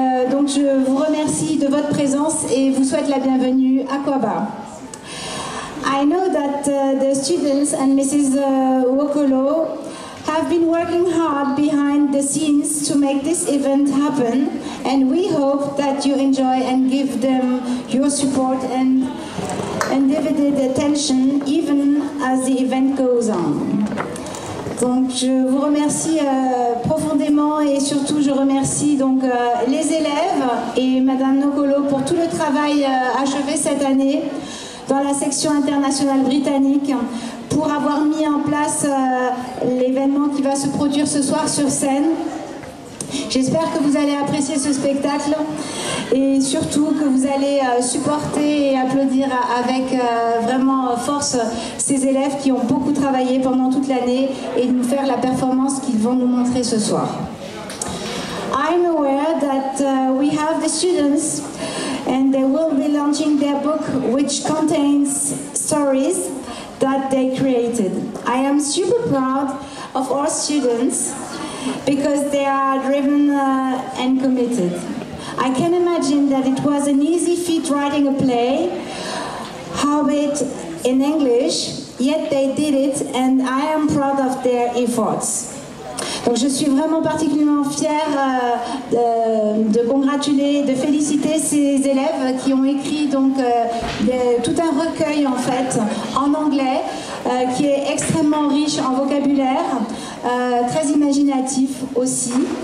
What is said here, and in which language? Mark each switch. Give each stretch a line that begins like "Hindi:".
French: Donc je vous remercie de votre présence et vous souhaite la bienvenue à Quaba.
English: I know that the students and Mrs. Wokolo have been working hard behind the scenes to make this event happen, and we hope that you enjoy and give them your support and undivided attention even as the event goes on.
French: Donc je vous remercie profondément et surtout je remercie donc les élèves et Madame Wokolo pour tout le travail achevé cette année dans la section internationale britannique pour avoir mis en place l'événement qui va se produire ce soir sur scène. J'espère que vous allez apprécier ce spectacle et surtout que vous allez supporter et applaudir avec vraiment force ces élèves qui ont beaucoup travaillé pendant toute l'année et nous faire la performance qu'ils vont nous montrer ce soir.
English: I'm aware that we have the students and they will be launching their book which contains stories that they created. I am super proud of our students because they are driven and committed. I can imagine that it was an easy feat writing a play, howbeit in English, yet they did it and I am proud of their efforts.
French: Donc je suis vraiment particulièrement fière de congratuler, de féliciter ces élèves qui ont écrit donc tout un recueil en fait en anglais qui est extrêmement riche en vocabulaire, très imaginatif aussi.